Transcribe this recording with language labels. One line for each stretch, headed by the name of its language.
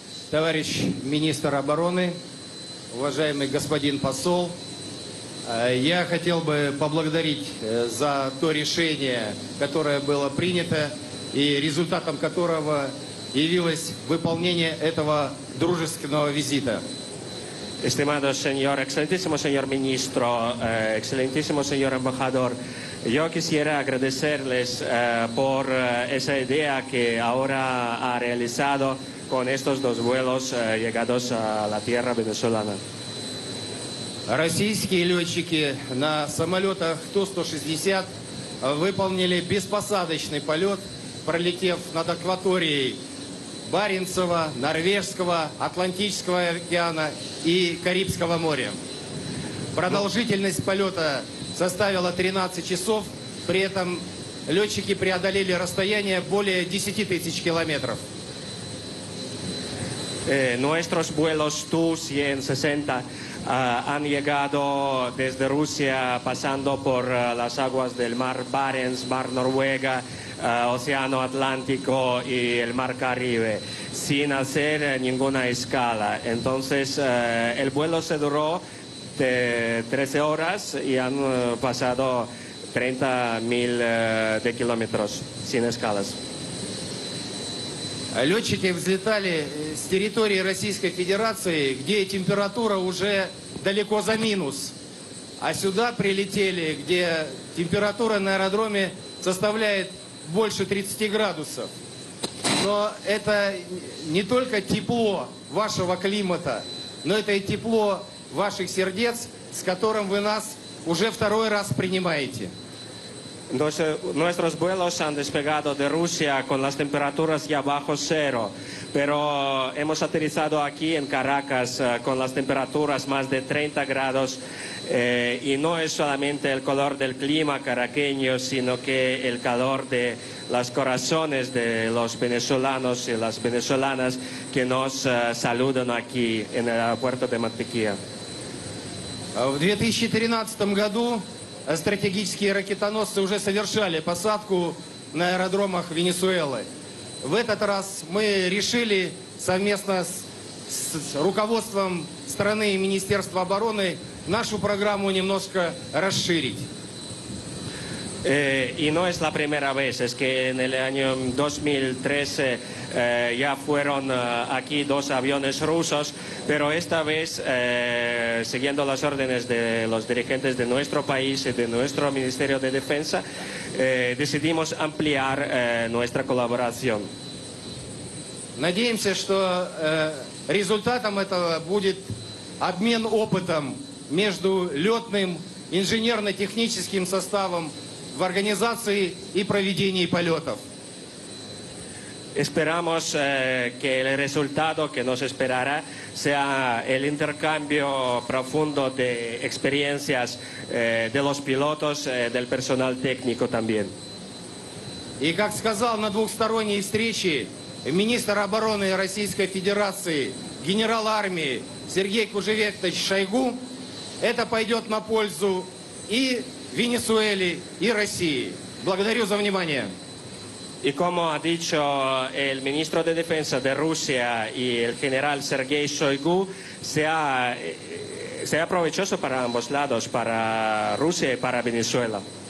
Russian: Товарищ министр обороны, уважаемый господин посол, я хотел бы поблагодарить за то решение, которое было принято, и результатом которого явилось выполнение этого дружественного визита.
Spanish: Estimado señor, excelentísimo señor ministro, excelentísimo señor embajador, yo quisiera agradecerles por esa idea que ahora ha realizado con estos dos vuelos llegados a la tierra venezolana.
Russian: Российские летчики на самолетах Ту-160 выполнили беспосадочный полет, пролетев над акваторией Баренцева, Норвежского, Атлантического океана и Карибского моря. Продолжительность полета составила 13 часов, при этом летчики преодолели расстояние более 10 тысяч километров.
Spanish: Nuestros vuelos TU-160 han llegado desde Rusia pasando por las aguas del mar Barents, mar Noruega, Océano Atlántico y el mar Caribe, sin hacer ninguna escala. Entonces, el vuelo se duró de 13 horas y han pasado 30.000 de kilómetros sin escalas.
Russian: Летчики взлетали с территории Российской Федерации, где температура уже далеко за минус. А сюда прилетели, где температура на аэродроме составляет больше 30 градусов. Но это не только тепло вашего климата, но это и тепло ваших сердец, с которым вы нас уже второй раз принимаете.
Spanish: Nuestros vuelos han despegado de Rusia con las temperaturas ya bajo cero, pero hemos aterrizado aquí en Caracas con las temperaturas más de 30 grados y no es solamente el color del clima caraqueño, sino que el calor de los corazones de los venezolanos y las venezolanas que nos saludan aquí en el aeropuerto de Mantiquilla. En
Russian: 2013 году стратегические ракетоносцы уже совершали посадку на аэродромах Венесуэлы. В этот раз мы решили совместно с руководством страны и Министерства обороны нашу программу немножко расширить.
Spanish: Y no es la primera vez, es que en el año 2013 ya fueron aquí dos aviones rusos, pero esta vez, siguiendo las órdenes de los dirigentes de nuestro país y de nuestro Ministerio de Defensa, decidimos ampliar nuestra colaboración.
Russian: Надеемся, что результатом этого будет обмен опытом между летным инженерно-техническим составом в организации и проведении полетов.
Spanish: Esperamos que el resultado que nos esperará sea el intercambio profundo de experiencias de los pilotos, del personal técnico también.
Russian: И как сказал на двухсторонней встрече министр обороны Российской Федерации, генерал армии Сергей Кужевекович Шойгу, это пойдет на пользу и Венесуэле и России. Благодарю за внимание.
Spanish: Y como ha dicho el ministro de Defensa de Rusia y el general Sergei Shoigu, sea provechoso para ambos lados, para Rusia y para Venezuela.